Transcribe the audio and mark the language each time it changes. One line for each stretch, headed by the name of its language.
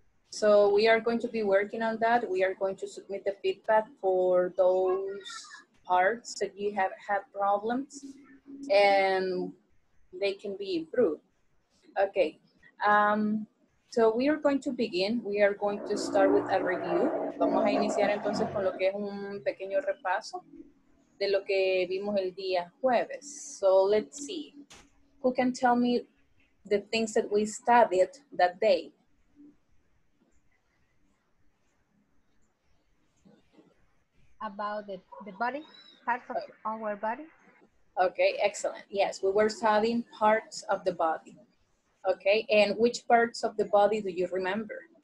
English: So we are going to be working on that. We are going to submit the feedback for those parts that you have had problems and they can be improved. Okay, so we are going to begin. We are going to start with a review.
Spanish: Vamos a iniciar entonces con lo que es un pequeño repaso de lo que vimos el día jueves.
English: So let's see. Who can tell me the things that we studied that day? About the body, parts of our body. Okay, excellent. Yes, we were studying parts of the body. Okay, and which parts of the body do you remember?